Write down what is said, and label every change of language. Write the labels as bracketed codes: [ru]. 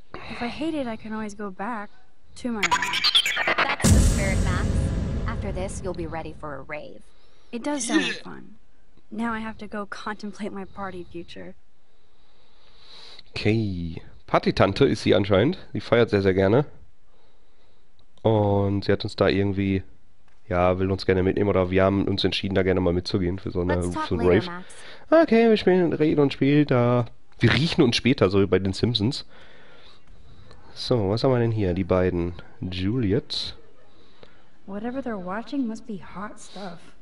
[en] If I hate it, I can always go back to my room. That's the spirit, Max. After this, you'll be ready for a rave. It does sound fun. Now I have to go contemplate my party future. Okay. [de] Partytante ist sie anscheinend. Sie feiert sehr, sehr gerne. Und sie hat uns da irgendwie... Ja, will uns gerne mitnehmen. Oder wir haben uns entschieden, da gerne mal mitzugehen für so eine so Rave. Later, okay, wir spielen, reden und spielen da. Wir riechen uns später, so wie bei den Simpsons. So, was haben wir denn hier? Die beiden. Juliet. [en] Whatever they're watching must be hot stuff.